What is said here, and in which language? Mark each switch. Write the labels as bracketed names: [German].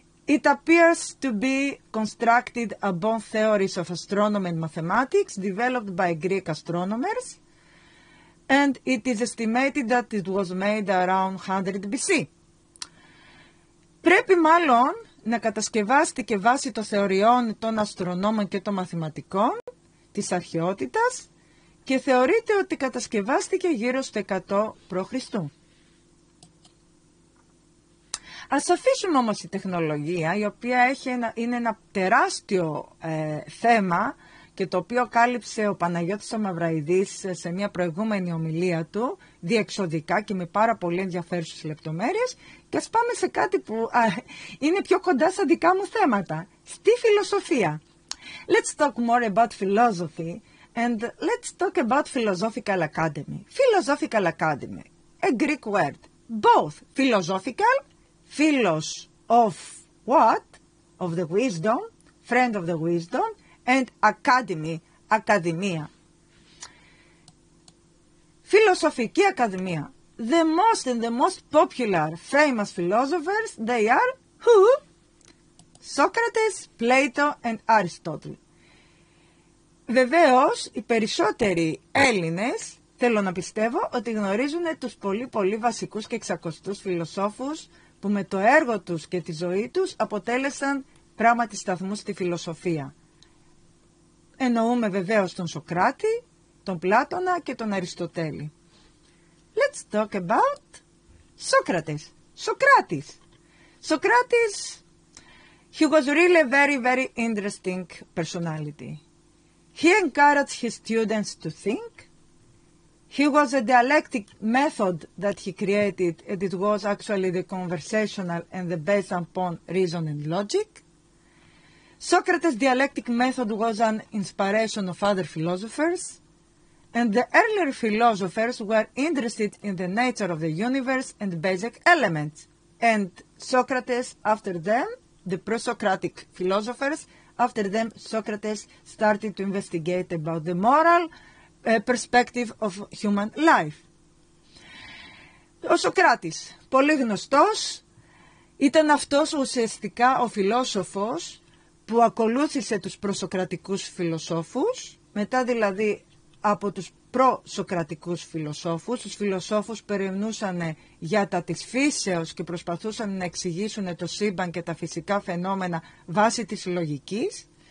[English] It appears to be constructed upon theories of astronomy and mathematics developed by Greek astronomers and it is estimated that it was made around 100 BC. [Greek] Πρέπει μάλλον να κατασκευάστηκε βάσει των θεωριών των αστρονόμων και των μαθηματικών της αρχαιότητας και θεωρείται ότι κατασκευάστηκε γύρω στο 100 π.Χ. Ας αφήσουμε όμως η τεχνολογία, η οποία είναι ένα τεράστιο θέμα και το οποίο κάλυψε ο Παναγιώτης ο Μαυραϊδής σε μια προηγούμενη ομιλία του, διεξοδικά και με πάρα πολύ ενδιαφέρουσες λεπτομέρειες, και ας πάμε σε κάτι που είναι πιο κοντά στα δικά μου θέματα, στη φιλοσοφία. [English] Let's talk more about philosophy and let's talk about philosophical academy. Philosophical academy, a Greek word, both philosophical, philos of what? Of the wisdom, friend of the wisdom, and academy, academia. [Greek] Φιλοσοφική ακαδημία. [English] The most and the most popular famous philosophers, they are who? Socrates, Plato and Aristotle. [Greek] Βεβαίως, οι περισσότεροι Έλληνες, θέλω να πιστεύω, ότι γνωρίζουν τους πολύ πολύ βασικούς και εξακοστούς φιλοσόφους που με το έργο τους και τη ζωή τους αποτέλεσαν πράγματι σταθμούς στη φιλοσοφία. Εννοούμε βεβαίως τον Σοκράτη, τον Πλάτωνα και τον Αριστοτέλη. [English] Let's talk about Socrates. Socrates. Socrates, he was really a very, very interesting personality. He encouraged his students to think. He was a dialectic method that he created and it was actually the conversational and the based upon reason and logic. Socrates' dialectic method was an inspiration of other philosophers. And the earlier philosophers were interested in the nature of the universe and basic elements. And Socrates, after them, the pre-Socratic philosophers, after them, Socrates started to investigate about the moral perspective of human life. [Greek] Ο Σοκράτης, πολύ γνωστός, ήταν αυτός ουσιαστικά ο φιλόσοφος που ακολούθησε τους προσοκρατικούς φιλοσόφους, μετά δηλαδή από τους προσοκρατικούς φιλοσόφους, τους φιλοσόφους που ερευνούσαν για τα της φύσεως και προσπαθούσαν να εξηγήσουν το σύμπαν και τα φυσικά φαινόμενα βάσει της λογικής,